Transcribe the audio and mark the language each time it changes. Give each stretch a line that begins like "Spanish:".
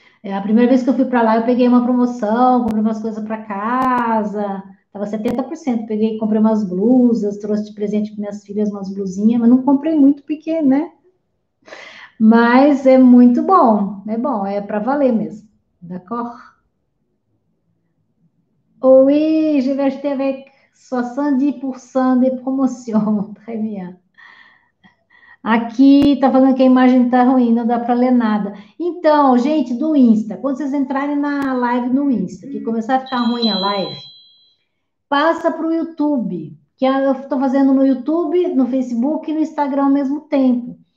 Portuguese: É a primeira vez que eu fui para lá, eu peguei uma promoção, comprei umas coisas para casa. Tava 70%. Peguei, comprei umas blusas, trouxe de presente para minhas filhas umas blusinhas, mas não comprei muito porque, né? Mas é muito bom, é para valer mesmo.
French: D'accord? Oui, je vais acheter avec 70% de promotion. Très bien.
Portuguese: Aqui tá falando que a imagem tá ruim, não dá para ler nada. Então, gente do Insta, quando vocês entrarem na live no Insta, que começar a ficar ruim a live, passa pro YouTube, que eu tô fazendo no YouTube, no Facebook e no Instagram ao mesmo tempo.